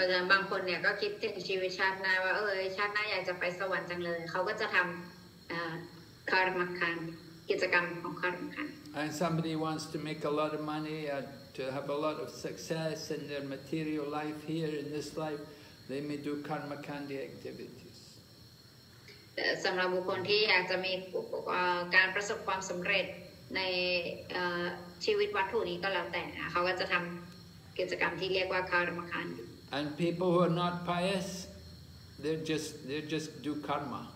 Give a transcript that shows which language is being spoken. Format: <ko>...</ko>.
<th>บางคนเนี่ยก็คิดถึงชีวิตชาติหน้าว่าชาติหน้าอยากจะไปสวรรค์จังเลยเขาก็จะทำkarma kandi กิจกรรมของ karma kandi</th> <en>And somebody wants to make a lot of money to have a lot of success in their material life here in this life, they may do karma kandi activities.</en> <th>สำหรับบุคคลที่อยากจะมีการประสบความสำเร็จในชีวิตวัตถุนี้ก็แล้วแต่เขาก็จะทำกิจกรรมที่เรียกว่าคาร์มคันดี</th> <en>And people who are not pious, they just do karma.</en>